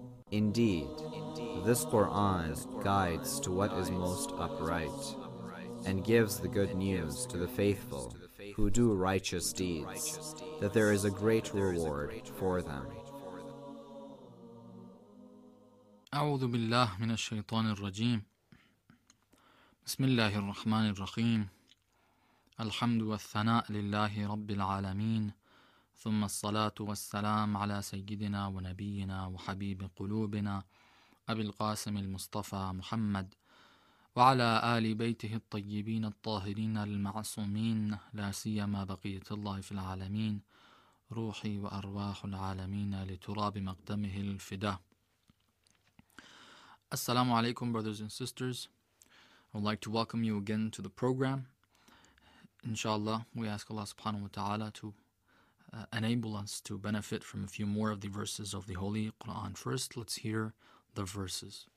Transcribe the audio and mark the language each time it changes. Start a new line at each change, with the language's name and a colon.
English: Indeed, this Quran guides to what is most upright and gives the good news to the faithful who do righteous deeds, that there is a great reward for them.
Arabic: أعوذ بالله من الشيطان الرجيم بسم الله الرحمن الرحيم الحمد والثناء لله رب العالمين ثم الصلاة والسلام على سيدنا ونبينا وحبيب قلوبنا أبي القاسم المصطفى محمد وعلى آل بيته الطيبين الطاهرين المعصومين لا سيما بقية الله في العالمين روحي وأرواح العالمين لتراب مقدمه الفداء.
English: Assalamu alaikum, brothers and sisters. I would like to welcome you again to the program. Inshallah, we ask Allah subhanahu wa ta'ala to enable us to benefit from a few more of the verses of the Holy Quran. First, let's hear the verses.